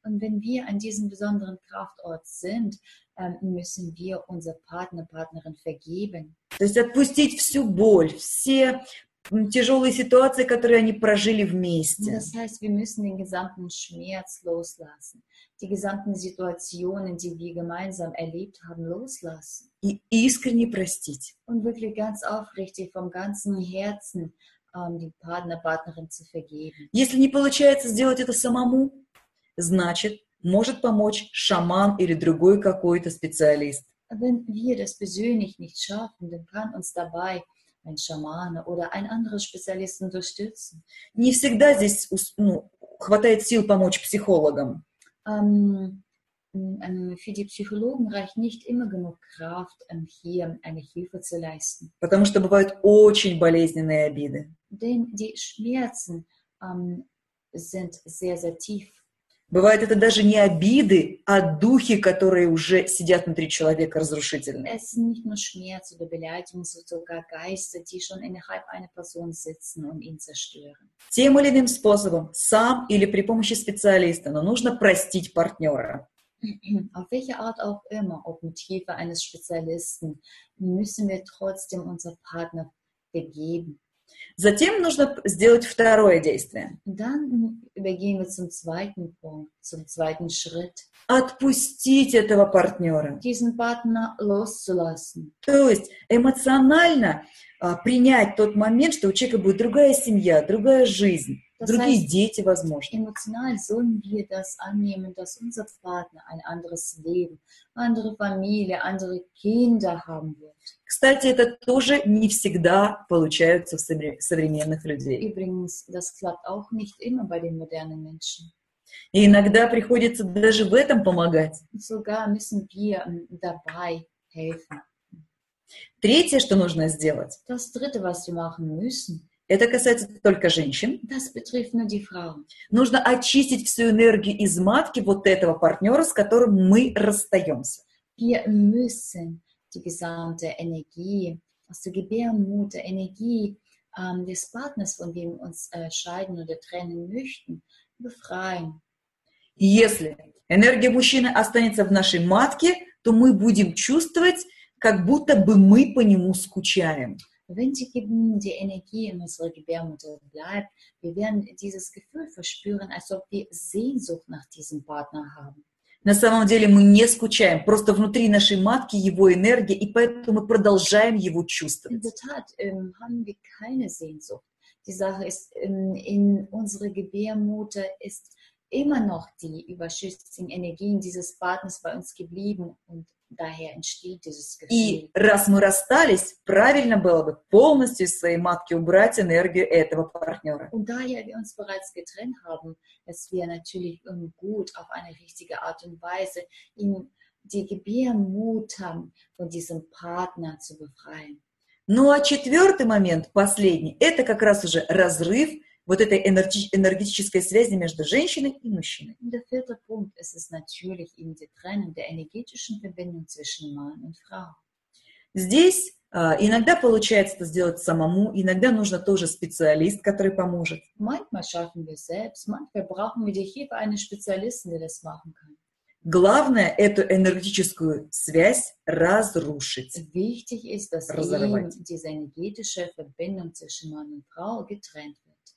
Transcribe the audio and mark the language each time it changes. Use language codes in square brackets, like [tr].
[de] Und wenn wir an diesem besonderen Kraftort sind, müssen wir unser Partner, Partnerin vergeben. [ru] То есть отпустить всю боль, все тяжелые ситуации, которые они прожили вместе. [de] Das heißt, wir müssen den gesamten Schmerz loslassen, die gesamten Situationen, die wir gemeinsam erlebt haben, loslassen. [ru] И искренне простить. [de] Und wirklich ganz aufrichtig vom ganzen Herzen die Partner, Partnerin zu vergeben. [ru] Если не получается сделать это самому, значит, может помочь шаман или другой какой-то специалист. [de] Wenn wir das persönlich nicht schaffen, dann kann uns dabei ein Schamane oder ein anderer Spezialist unterstützen. [ru] Не всегда здесь хватает сил помочь психологам. [de] Für die Psychologen reicht nicht immer genug Kraft, hier eine Hilfe zu leisten. [ru] Потому что бывают очень болезненные обиды. [de] Denn die Schmerzen sind sehr, sehr tief. [ru] Бывает это даже не обиды, а духи, которые уже сидят внутри человека разрушительно. [de] Es ist nicht nur Schmerz oder Beleidigung, sondern sogar Geister, die schon innerhalb einer Person sitzen und ihn zerstören. [ru] Тем или иным способом, сам или при помощи специалиста, но нужно простить партнера. [de] Auf welche Art auch immer, ob mit Hilfe eines Spezialisten, müssen wir trotzdem unser Partner vergeben. [ru] Затем нужно сделать второе действие. [de] Dann übergehen wir zum zweiten Punkt, zum zweiten Schritt. [ru] Отпустить этого партнера. [de] Diesen Partner loszulassen. [ru] То есть эмоционально принять тот момент, что у человека будет другая семья, другая жизнь. другие дети, возможно. Эмоционально [de] sollen wir das annehmen, dass unser Partner ein anderes Leben, andere Familie, andere Kinder haben wird. [ru] Кстати, это тоже не всегда получается у современных людей. [de] Übrigens, das klappt auch nicht immer bei den modernen Menschen. [ru] И иногда приходится даже в этом помогать. [de] Sogar müssen wir dabei helfen. [ru] Третье, что нужно сделать, [de] das dritte, was wir machen müssen, [ru] это касается только женщин. [de] Das betrifft nur die Frauen. [ru] Нужно очистить всю энергию из матки вот этого партнера, с которым мы расстаемся. [de] Wir müssen die gesamte Energie aus der Gebärmutter, Energie des Partners, von dem wir uns scheiden oder trennen möchten, befreien. [ru] Если энергия мужчины останется в нашей матке, то мы будем чувствовать, как будто бы мы по нему скучаем. [de] Wenn die Energie in unserer Gebärmutter bleibt, wir werden dieses Gefühl verspüren, als ob wir Sehnsucht nach diesem Partner haben. [ru] На самом деле мы не скучаем, просто внутри нашей матки его энергия, и поэтому мы продолжаем его чувствовать. [de] In der Tat, haben wir keine Sehnsucht. Die Sache ist, in unserer Gebärmutter ist immer noch die überschüssigen Energien dieses Partners bei uns geblieben und daher entsteht dieses Gefühl. [ru] И раз мы расстались, правильно было бы полностью из своей матки убрать энергию этого партнера. [de] Und daher wir uns bereits getrennt haben, dass wir natürlich gut auf eine richtige Art und Weise in die Gebärmutter von diesem Partner zu befreien. [ru] Ну а четвертый момент, последний, это как раз уже разрыв вот этой энергетической связи между женщиной и мужчиной. [de] Der vierte Punkt ist es natürlich eben die Trennung der energetischen Verbindung zwischen Mann und Frau. [ru] Здесь иногда получается это сделать самому, иногда нужно тоже специалист, который поможет. [de] Manchmal schaffen wir selbst, manchmal brauchen wir die Hilfe eines Spezialisten, der das machen kann. [ru] Главное эту энергетическую связь разрушить. [de] Wichtig ist, dass [ru] разорвать. [de] Eben diese energetische Verbindung zwischen Mann und Frau getrennt wird.